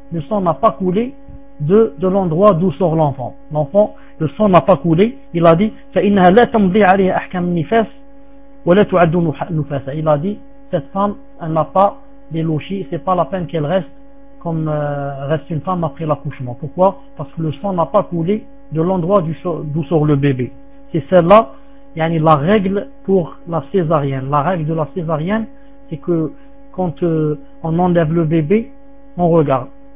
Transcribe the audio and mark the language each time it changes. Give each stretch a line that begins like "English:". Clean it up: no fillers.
French: Le sang n'a pas coulé de l'endroit d'où sort l'enfant. L'enfant, le sang n'a pas coulé. Il a dit,
Arabic: فَإِنَّهَا لَا تَمْضِي عَلِيَا أَحْكَمِ النِّفَاسِ وَلَا تُعَدُّ النُّفَاسَ.
French: Il a dit, cette femme, elle n'a pas les louchis, c'est pas la peine qu'elle reste comme reste une femme après l'accouchement. Pourquoi? Parce que le sang n'a pas coulé de l'endroit d'où sort le bébé. C'est celle-là. Yani la règle pour la césarienne. La règle de la césarienne, c'est que quand on enlève le bébé, on regarde.